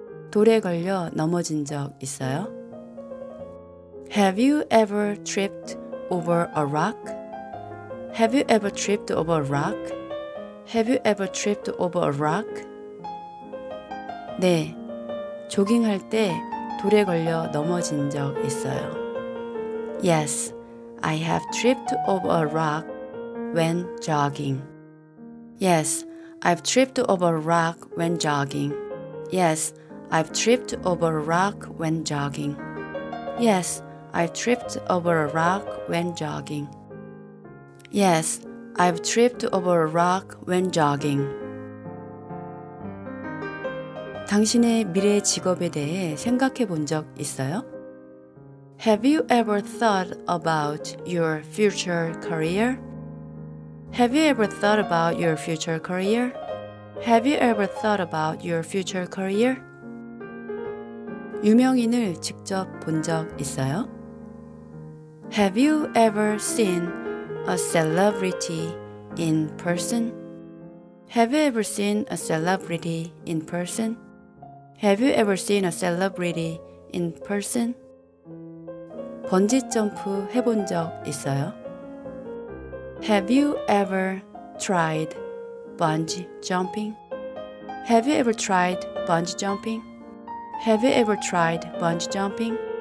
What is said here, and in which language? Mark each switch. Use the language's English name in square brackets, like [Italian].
[Korean] 돌에 걸려 넘어진 적 있어요? [English] Have you ever tripped over a rock? Have you ever tripped over a rock? Have you ever tripped over a rock? [Korean] 네, 조깅할 때 돌에 걸려 넘어진 적 있어요. [English] Yes, I have tripped over a rock when jogging. Yes, I've tripped over a rock when jogging. Yes, I've tripped over a rock when jogging. Yes, I've tripped over a rock when jogging. Yes, I've tripped over a rock when jogging. [Korean] 당신의 미래 직업에 대해 생각해 본 적 있어요? [English] Have you ever thought about your future career? Have you ever thought about your future career? Have you ever thought about your future career? [Korean] 유명인을 직접 본 적 있어요? [English] Have you ever seen a celebrity in person? Have you ever seen a celebrity in person? Have you ever seen a celebrity in person? [Korean] 번지점프 해본 적 있어요? [English] Have you ever tried bungee jumping? Have you ever tried bungee jumping? Have you ever tried bungee jumping?